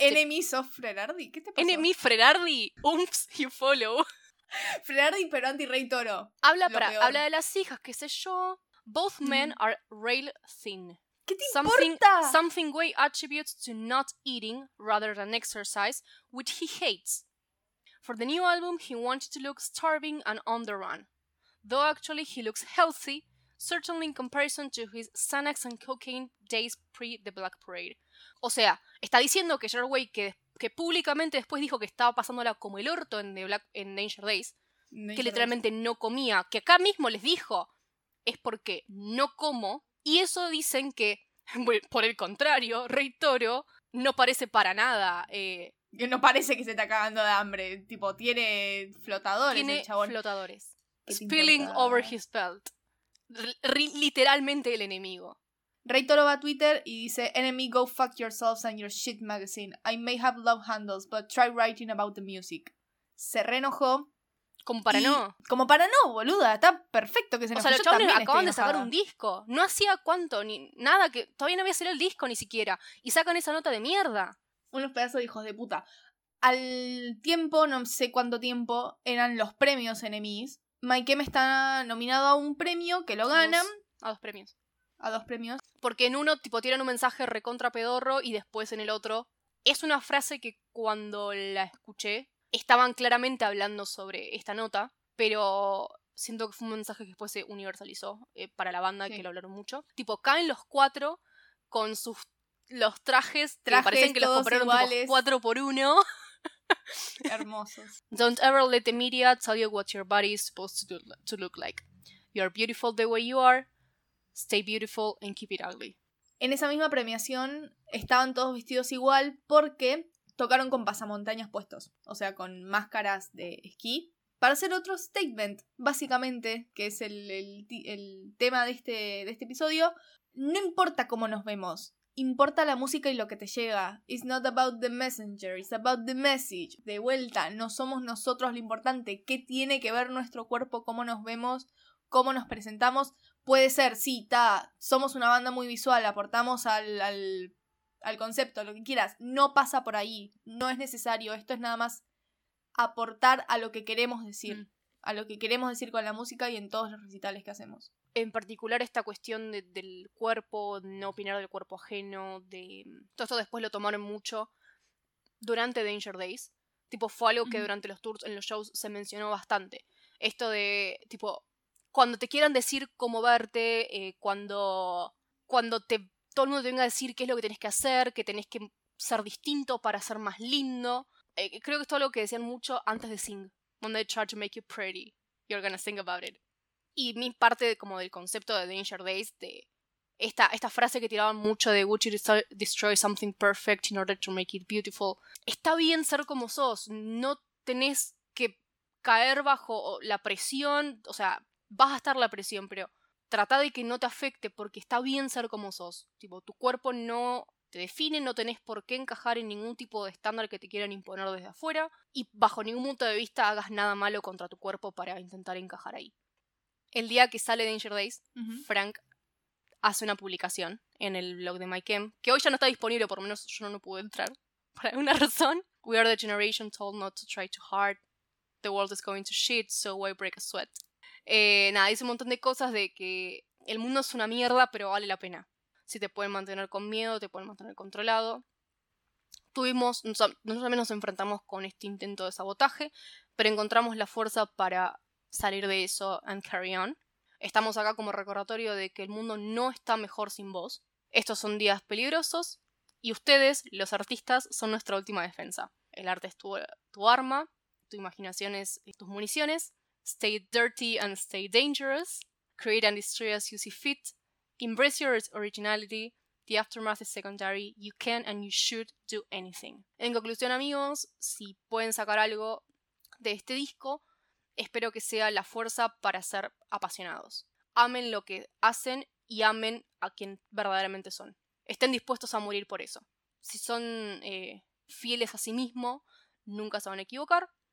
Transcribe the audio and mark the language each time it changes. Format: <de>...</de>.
<en>Enemies of</en> <es>Frerardi, ¿qué te pasó?</es> <en>Enemy Frerardi, oomps, you follow.</en> <es>Frerardi, pero anti-rey toro. Habla de las hijas, qué sé yo.</es> <en>Both men are rail thin.</en> <es>¿Qué te importa?</es> <en>Something Wei attributes to not eating rather than exercise, which he hates. For the new album, he wanted to look starving and on the run. Though actually he looks healthy, certainly in comparison to his Xanax and cocaine days pre the Black Parade.</en> <es>O sea, está diciendo que Gerard Way, que públicamente después dijo que estaba pasándola como el orto en Danger Days, que literalmente no comía, que acá mismo les dijo, es porque no como, y eso dicen que, bueno, por el contrario, Rey Toro no parece para nada... Que no parece que se está cagando de hambre. Tipo, tiene flotadores. Tiene el chabón.</es> <en>Flotadores. Spilling over his belt.</en> <es>Literalmente el enemigo. Rey Toro va a Twitter y dice:</es> <en>Enemy, go fuck yourselves and your shit magazine. I may have love handles, but try writing about the music.</en> <es>Se reenojó. Como para no. Como para no, boluda. Está perfecto que se enojó. O sea, los chabones acaban de sacar un disco. No hacía cuánto, ni nada, que todavía no había salido el disco ni siquiera. Y sacan esa nota de mierda. Unos pedazos de hijos de puta. Al tiempo, no sé cuánto tiempo, eran los premios NMEs. Mike M está nominado a un premio que lo ganan. A dos premios. Porque en uno, tipo, tienen un mensaje recontra pedorro y después en el otro. Es una frase que cuando la escuché, estaban claramente hablando sobre esta nota, pero siento que fue un mensaje que después se universalizó para la banda, sí. Que lo hablaron mucho. Tipo, caen los cuatro con sus. Los trajes que parecen que los compraron iguales. Tipo 4x1. Hermosos.</es> <en>Don't ever let the media tell you what your body is supposed to look like. You are beautiful the way you are. Stay beautiful and keep it ugly.</en> <es>En esa misma premiación estaban todos vestidos igual porque tocaron con pasamontañas puestos. O sea, con máscaras de esquí. Para hacer otro statement, básicamente, que es el tema de este episodio. No importa cómo nos vemos. Importa la música y lo que te llega.</es> <en>It's not about the messenger, it's about the message.</en> <es>De vuelta, no somos nosotros lo importante. ¿Qué tiene que ver nuestro cuerpo? ¿Cómo nos vemos? ¿Cómo nos presentamos? Puede ser, sí, ta, somos una banda muy visual, aportamos al concepto, lo que quieras. No pasa por ahí, no es necesario. Esto es nada más aportar a lo que queremos decir. Mm. A lo que queremos decir con la música y en todos los recitales que hacemos. En particular esta cuestión del cuerpo, no opinar del cuerpo ajeno, de todo esto después lo tomaron mucho durante Danger Days. Tipo, fue algo que durante los tours, en los shows, se mencionó bastante. Esto de, tipo, cuando te quieran decir cómo verte, cuando todo el mundo te venga a decir qué es lo que tenés que hacer, que tenés que ser distinto para ser más lindo. Creo que esto es algo que decían mucho antes de Sing.</es> <en>When they try to make you pretty, you're gonna think about it.</en> <es>Y mi parte como del concepto de Danger Days, de esta frase que tiraban mucho de</es> <en>would you destroy something perfect in order to make it beautiful.</en> <es>Está bien ser como sos, no tenés que caer bajo la presión, o sea, vas a estar la presión, pero trata de que no te afecte porque está bien ser como sos. Tipo, tu cuerpo no te define, no tenés por qué encajar en ningún tipo de estándar que te quieran imponer desde afuera y bajo ningún punto de vista hagas nada malo contra tu cuerpo para intentar encajar ahí. El día que sale Danger Days, Frank hace una publicación en el blog de Mike M, que hoy ya no está disponible, por lo menos yo no pude entrar, por alguna razón.</es> <en>We are the generation told not to try too hard. The world is going to shit, so why break a sweat?</en> <es>Nada, dice un montón de cosas de que el mundo es una mierda, pero vale la pena. Si te pueden mantener con miedo, te pueden mantener controlado. Nosotros también nos enfrentamos con este intento de sabotaje, pero encontramos la fuerza para salir de eso</es> <en>and carry on.</en> <es>Estamos acá como recordatorio de que el mundo no está mejor sin vos. Estos son días peligrosos y ustedes, los artistas, son nuestra última defensa. El arte es tu arma, tu imaginación es tus municiones.</es> <en>Stay dirty and stay dangerous. Create and destroy as you see fit. Embrace your originality. The aftermath is secondary. You can and you should do anything.</en> <es>En conclusión, amigos, si pueden sacar algo de este disco, espero que sea la fuerza para ser apasionados. Amen lo que hacen y amen a quien verdaderamente son. Estén dispuestos a morir por eso. Si son fieles a sí mismos, nunca se van a equivocar.</es>